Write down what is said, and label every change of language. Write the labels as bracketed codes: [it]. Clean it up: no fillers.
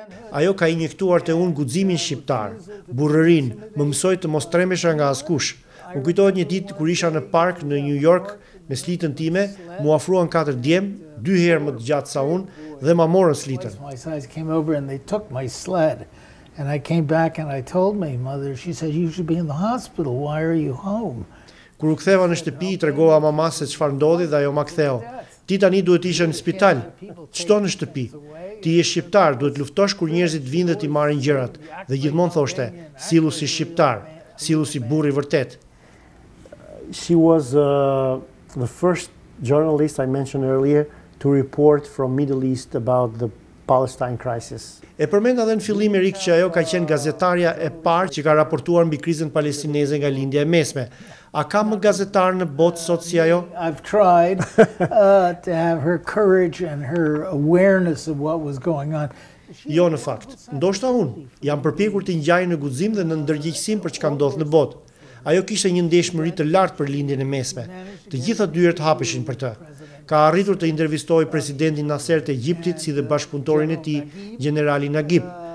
[sq] Ajo ka injektuar te un guximin shqiptar, burrërinë, më mësoi të mos tremesha nga askush. U kujtohet një ditë kur isha në park në New York me slitën time, mu ofruan 4 djem, 2 herë më të gjatë sa un dhe ma morën slitën. [en] My size came over and they took my sled and I came back and I told my mother, she said you should be in the hospital, why are you home? [sq] Kur u ktheva në shtëpi, i tregova mamës se çfarë ndodhi dhe ajo ma ktheu. Ti tani duhet ishe në spital, qëto në shtëpi. Ti je shqiptar, duhet luftosh kur njerëzit vinë dhe ti marrin gjërat. Dhe gjithmonë thoshte, silu si shqiptar, silu si burri vërtet. [en] She was the first journalist I mentioned earlier to report from Middle East about the Palestine crisis. [sq] E përmenda edhe në fillim, Erik, që ajo ka qenë gazetarja e parë që ka raportuar mbi krizën palestineze nga lindja e mesme. A ka më gazetar në botë sot si ajo? [en] I've tried to have her courage and her awareness of what was going on. [sq] Jo, në fakt. Ndoshta unë jam përpjekur të ngjaj në guxim dhe në ndërgjegjësim për çka ndodh në botë. Ajo kishte një ndeshmëri të lartë për lindjen e mesme. Të gjitha dyert hapeshin për të. Ka arritur të intervistojë presidentin Nasser të Egjiptit si dhe bashkëpunëtorin e tij, generalin Nagib.